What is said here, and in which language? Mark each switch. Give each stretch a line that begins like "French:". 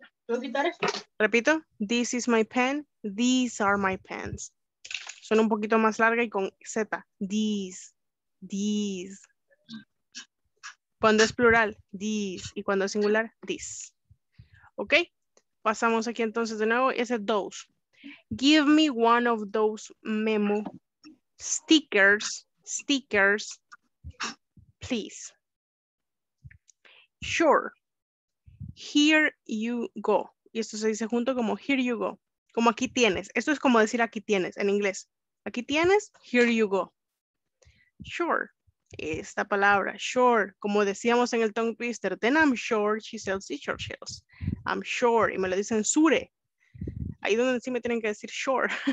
Spanish: Repito,
English: this is my pen, these are my pens.
Spanish: Son un poquito más larga y con Z.
English: These, these.
Spanish: Cuando es plural, these. Y cuando es singular, this. Ok, pasamos aquí entonces de nuevo. Ese those.
English: Give me one of those memo stickers, stickers, please. Sure, here you go.
Spanish: Y esto se dice junto como
English: here you go.
Spanish: Como aquí tienes. Esto es como decir aquí tienes en inglés. Aquí tienes,
English: here you go. Sure.
Spanish: Esta palabra, sure. Como decíamos en el tongue twister.
English: Then I'm sure she sells t-shirt shells. I'm sure.
Spanish: Y me lo dicen sure. Ahí donde sí me tienen que decir sure.